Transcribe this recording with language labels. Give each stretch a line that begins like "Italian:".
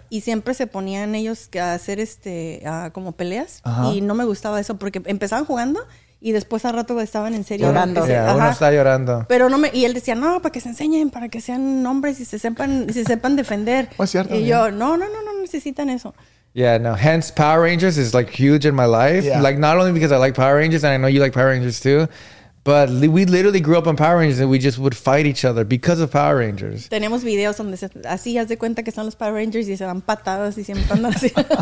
Spanish: Y siempre se ponían ellos a hacer como peleas. Uh-huh. Y no me gustaba eso porque empezaban jugando. Y después al rato estaban en serio. Llorando. Uno está llorando. Pero no me... Y él decía, no, para que se enseñen, para que sean hombres y se sepan defender. Pues cierto. Y yo, no necesitan eso.
English: Yeah, no. Hence, Power Rangers is like huge in my life. Yeah. Like, not only because I like Power Rangers, and I know you like Power Rangers too, but we literally grew up on Power Rangers and we just would fight each other because of Power Rangers.
Spanish: Tenemos videos donde así haz de cuenta que son los Power Rangers y se dan patadas y siempre andan así.